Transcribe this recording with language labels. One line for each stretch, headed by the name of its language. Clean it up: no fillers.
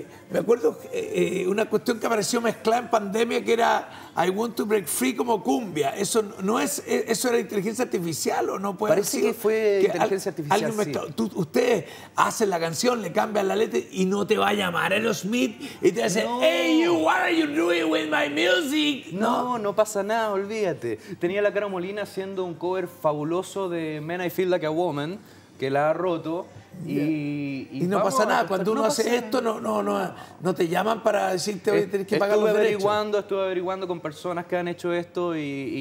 Spanish: Me acuerdo una cuestión que apareció mezclada en pandemia que era I want to break free como cumbia. Eso no es, eso era inteligencia artificial o no puede ser. Parece que fue que inteligencia artificial. Sí. Ustedes hacen la canción, le cambian la letra y no te va a llamar Aerosmith y te dice, no.
English: Hey, you, what are you doing with my music?
Spanish: No, no pasa nada, olvídate. Tenía la Caro Molina haciendo un cover fabuloso de Man I Feel Like a Woman, que la ha roto. Y no pasa nada, cuando uno hace esto no te llaman para decirte que tienes que pagar los derechos. Estuve averiguando con personas que han hecho esto y